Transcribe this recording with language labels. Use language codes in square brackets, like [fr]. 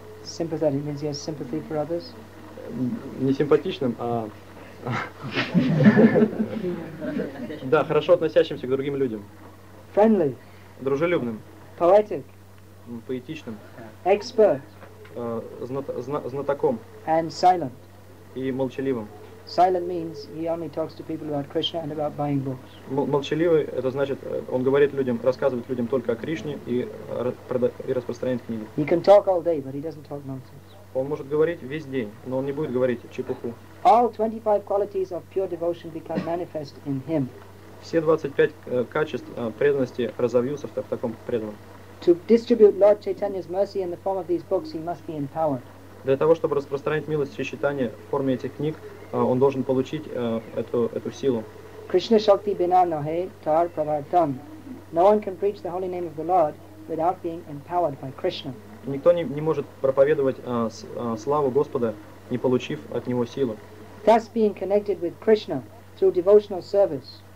[en] Sympathetic means he has sympathy for others. [ru] Не симпатичным, а... Да, хорошо относящимся к другим людям. [en] Friendly. [ru] Дружелюбным. [en] Poetic. [ru] Поэтичным. [en] Expert. [ru] Знатоком. [en] And silent. [ru] И молчаливым. [en] Silent means he only talks to people about Krishna and about buying books. [ru] Молчаливый – это значит, он говорит людям, рассказывает людям только о Кришне и распространяет книги. [en] He can talk all day, but he doesn't talk nonsense. [ru] Он может говорить весь день, но он не будет говорить чепуху. [en] All 25 qualities of pure devotion become manifest in him. [ru] Все 25 качеств преданности разовьются в таком преданном. [en] To distribute Lord Chaitanya's mercy in the form of these books, he must be empowered. [ru] Для того, чтобы распространять милость Шри Чайтаньи в форме этих книг, он должен получить эту силу. [bn] Krishna Shakti Bina Nohe Tar Pravartam. [en] No one can preach the holy name of the Lord without being empowered by Krishna. [ru] Никто не может проповедовать славу Господа, не получив от него силы. [en] Thus being connected with Krishna through devotional service.